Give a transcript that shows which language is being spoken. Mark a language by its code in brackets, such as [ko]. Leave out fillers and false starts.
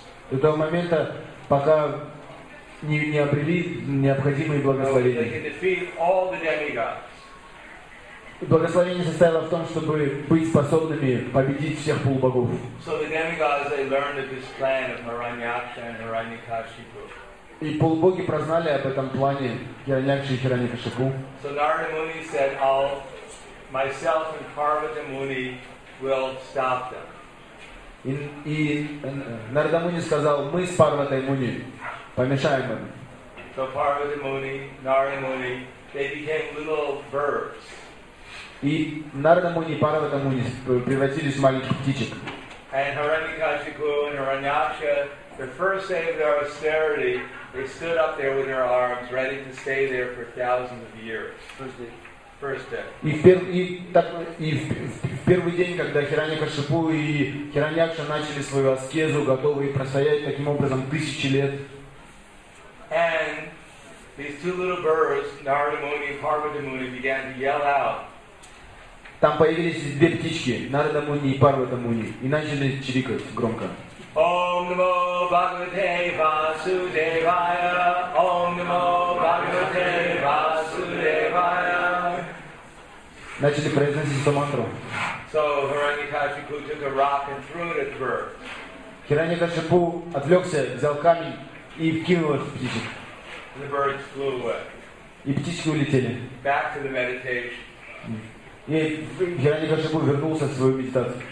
[ru] До того момента, пока не обрели необходимые благословения. Благословение состояло в том, чтобы быть способными победить всех полубогов. [en] So the demigods, they learned of this plan of Hiranyaksha and Hiranyakashipu. [ru] И полубоги прознали об этом плане Хираньякши и Хираньякашипу. [en] So Narada Muni said, myself and Parvati Muni will stop them. [ru] И Нарада Муни сказал, мы с Парватой Муни помешаем им. [en] So Parvati Muni, Narada Muni, they became little birds. [ru] И Нарада Муни и Парвата Муни превратились в маленьких птичек. [en] And Hiranyakashipu and Hiranyaksha, the first day of their austerity, they stood up there with their arms, ready to stay there for thousands of years. [ru] И в первый день, когда Хиранья-Кашипу и Хираньякша начали свою аскезу, готовые простоять таким образом тысячи лет. [en] And these two little birds, Narada Muni and Parvata Muni, began to yell out. [ru] Там появились две птички, Нарада Муни и Парвата Муни, и начали чирикать громко. [sa] Ом намо Бхагавате Васудевая. Ом намо Бхагавате Васудевая. [ru] Начали произносить эту мантру. [en] So Hiranyakashipu took a rock and threw it at the birds. [ru] Хиранья-Кашипу отвлекся, взял камень и кинул их в птичек. [en] And the birds flew away. [ru] И птички улетели. [en] Back to the meditation. [ru] И Хиранья-Кашипу вернулся в свою медитацию.